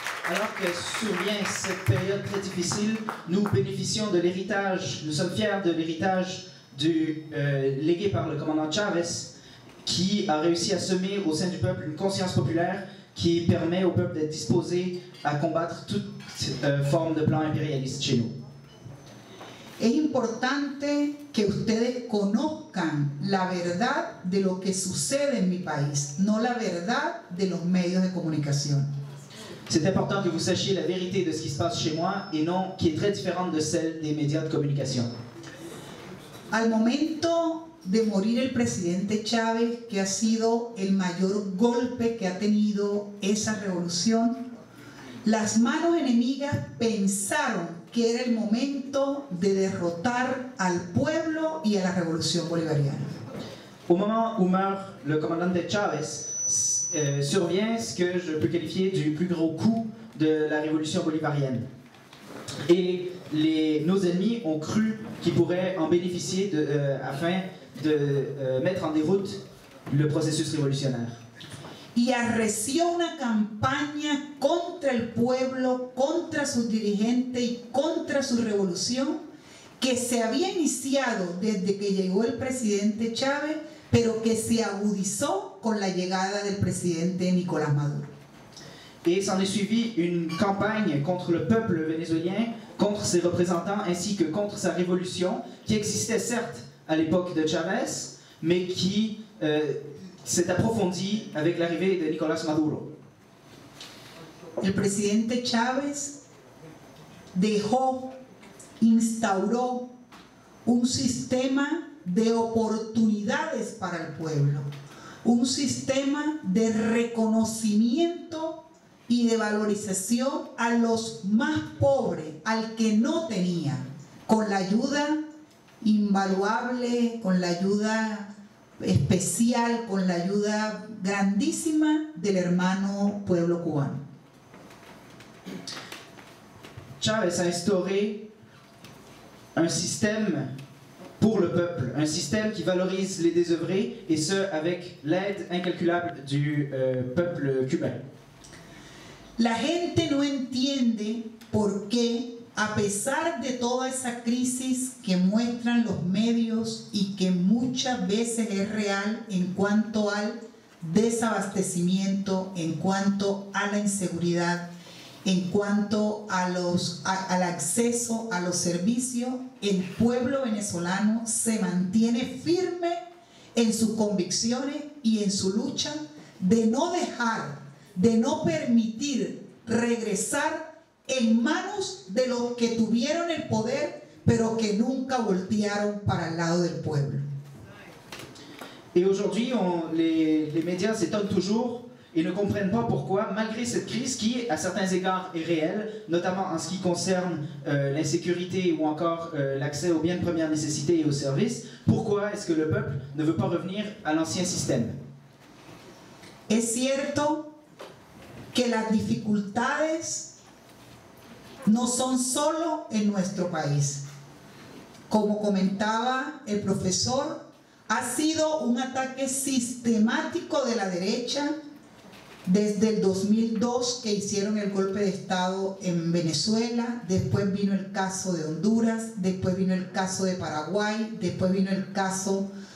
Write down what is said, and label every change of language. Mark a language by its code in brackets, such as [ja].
[fr] Alors que survient cette période très difficile, nous bénéficions de l'héritage, nous sommes fiers de l'héritage légué par le commandant Chavez, qui a réussi à semer au sein du peuple une conscience populaire qui permet au peuple d'être disposé à combattre toute forme de plan impérialiste chez nous. [es] Es importante que ustedes conozcan la verdad de lo que sucede en mi país, no la verdad de los medios de comunicación. [fr] C'est important que vous sachiez la vérité de ce qui se passe chez moi et non qui est très différente de celle des médias de communication. [es] Al momento de morir el presidente Chávez, que ha sido el mayor golpe que ha tenido esa revolución, las manos enemigas pensaron que era el momento de derrotar al pueblo y a la revolución bolivariana. [fr] Au moment où meurt le commandant Chávez, survient ce que je peux qualifier du plus gros coup de la révolution bolivarienne. Et nos ennemis ont cru qu'ils pourraient en bénéficier afin de mettre en déroute le processus révolutionnaire. [es] Y arreció una campaña contra el pueblo, contra sus dirigentes y contra su revolución que se había iniciado desde que llegó el presidente Chávez, pero que se agudizó con la llegada del presidente Nicolás Maduro. [fr] Et s'en est suivi une campagne contre le peuple vénézuélien, contre ses représentants ainsi que contre sa révolution qui existait certes à l'époque de Chavez, mais qui s'est approfondi avec l'arrivée de Nicolas Maduro. [es] El presidente Chávez dejó, instauró un sistema de oportunidades para el pueblo, un sistema de reconocimiento y de valorización a los más pobres, al que no tenía, con la ayuda invaluable, con la ayuda especial, con la ayuda grandísima del hermano pueblo cubano. [fr] Chávez ha instauré un sistema pour le peuple, un système qui valorise les désœuvrés, et ce, avec l'aide incalculable du peuple cubain. [es] La gente no entiende por qué, a pesar de toda esa crisis que muestran los medios y que muchas veces es real en cuanto al desabastecimiento, en cuanto a la inseguridad, en cuanto a al acceso a los servicios, el pueblo venezolano se mantiene firme en sus convicciones y en su lucha de no dejar, de no permitir regresar en manos de los que tuvieron el poder, pero que nunca voltearon para el lado del pueblo. Y hoy, los medios se están [fr] toujours et ne comprennent pas pourquoi, malgré cette crise qui, à certains égards, est réelle, notamment en ce qui concerne l'insécurité ou encore l'accès aux biens de première nécessité et aux services, pourquoi est-ce que le peuple ne veut pas revenir à l'ancien système? [es] Es cierto que las dificultades no son solo en nuestro país. Como comentaba el profesor, ha sido un ataque sistemático de la derecha desde el 2002 que hicieron el golpe de Estado en Venezuela, después vino el caso de Honduras, después vino el caso de Paraguay, después vino el caso